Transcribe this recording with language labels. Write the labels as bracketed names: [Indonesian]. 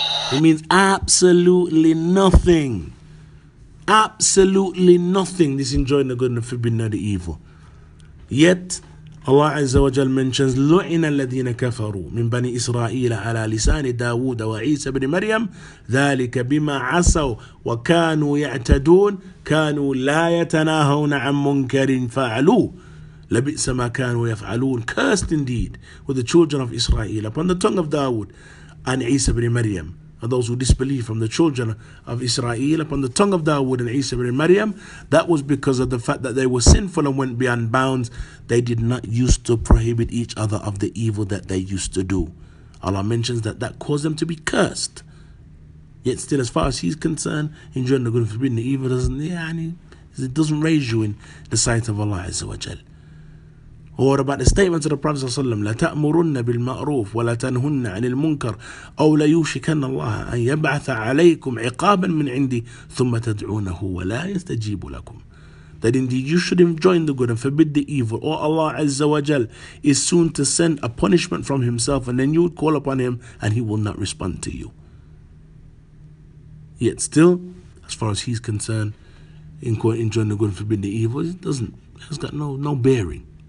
[English] It means absolutely nothing. Absolutely nothing. This enjoying the good and forbidding of the evil. Yet, Allah Azza wa Jal mentions, [Arabic] لُعِنَ الَّذِينَ كَفَرُوا مِنْ بَنِي إِسْرَائِيلَ عَلَى لِسَانِ دَاوُودَ وَعِيسَى بْنِ مَرْيَمَ ذَلِكَ بِمَا عَصَوْا وَكَانُوا يَعْتَدُونَ كَانُوا لَا يَتَنَاهَوْنَ عَن مُنْكَرٍ فَعَلُوهُ لَبِئْسَ مَا كَانُوا يَفْعَلُونَ. [English] Cursed indeed were the children of Israel upon the tongue of Dawood and Isa ibn Maryam, and those who disbelieve from the children of Israel upon the tongue of Dawood and Isa ibn Maryam. That was because of the fact that they were sinful and went beyond bounds. They did not used to prohibit each other of the evil that they used to do. Allah mentions that that caused them to be cursed. Yet still, as far as he's concerned, enjoying the good and forbidding the evil doesn't raise you in the sight of Allah Azza wa Jal. Or about the statement of the Prophet ﷺ, [Arabic] لَتَأْمُرُنَّ بِالْمَأْرُوفِ وَلَتَنْهُنَّ عَنِ الْمُنْكَرِ أَوْ لَيُوشِكَنَّ اللَّهَ أَنْ يَبْعَثَ عَلَيْكُمْ عِقَابًا مِنْ عِنْدِي ثُمَّ تَدْعُونَهُ وَلَا يَسْتَجِيبُ لَكُمْ. [English] That indeed you should enjoin the good and forbid the evil, or Allah Azza wa Jal is soon to send a punishment from himself, and then you would call upon him and he will not respond to you. Yet still, as far as he's concerned, in quote, enjoin the good and forbid the evil, it has got no bearing.